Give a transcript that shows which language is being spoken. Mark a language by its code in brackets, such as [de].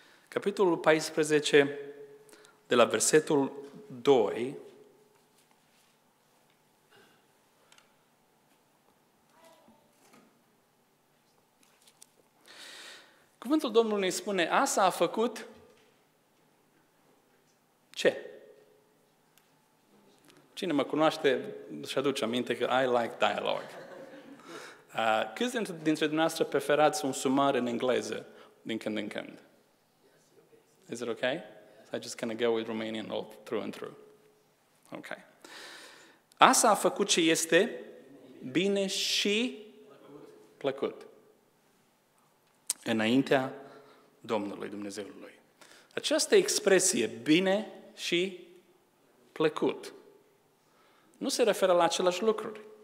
[ro] Capitolul 14, de la versetul 2, cuvântul Domnului îi spune, asta a făcut ce? Cine mă cunoaște își aduce aminte că [en] I like dialogue. [ro] Câți dintre dumneavoastră preferați un sumar în engleză din când în când? [en] Is it okay? So I just kind of go with Romanian all through and through. Okay. [ro] Asta a făcut ce este bine și plăcut înaintea Domnului, Dumnezeului. Această expresie, bine și plăcut, nu se referă la același lucruri.